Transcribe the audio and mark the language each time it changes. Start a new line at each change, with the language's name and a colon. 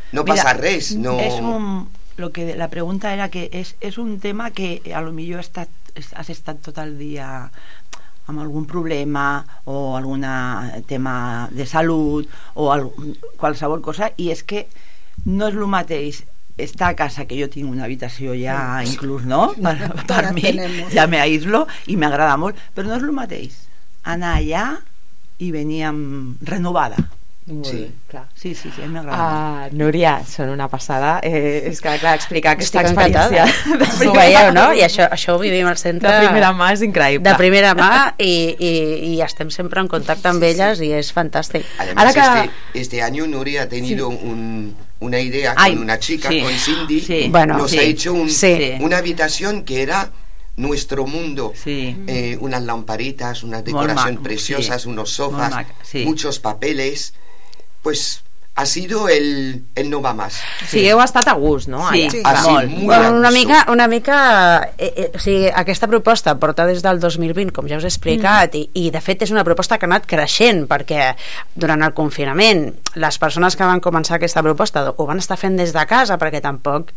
Spanish: No pasa Mira,
Catalan: res,
Spanish: no... Es un... Lo que la pregunta era que es un tema que a lo mejor has estado todo el día con algún problema o algún tema de salud o
Catalan: qualsevol cosa.
Spanish: Y es que no es lo
Catalan: mateix... Està a casa, que jo tinc una habitació ja inclús, no? Per mi, ja m'aïslo i m'agrada molt. Però no és el mateix. Anar allà i venir renovada. Sí, clar. Sí, sí, sí, m'agrada molt. Núria, són una passada. És que, clar, explicar aquesta experiència. Ho veieu, no? I això ho vivim al centre. De primera mà és increïble. De primera mà i estem sempre en contacte amb elles i és fantàstic. A més, este any
Spanish: Núria ha tenido un... una idea Ay, con una chica, sí, con Cindy, sí, bueno, nos sí, ha hecho una habitación que era nuestro mundo, sí, unas lamparitas, una decoración preciosa, sí, unos sofás, sí, muchos papeles, pues ha sido el no va más.
Catalan: Sí, sigueu estat a gust, no? Sí, sí, molt. Bueno, una mica o sigui, aquesta proposta porta des del 2020, com ja us he explicat, i de fet és una proposta que ha anat creixent, perquè durant el confinament les persones que van començar aquesta proposta ho van estar fent des de casa, perquè tampoc...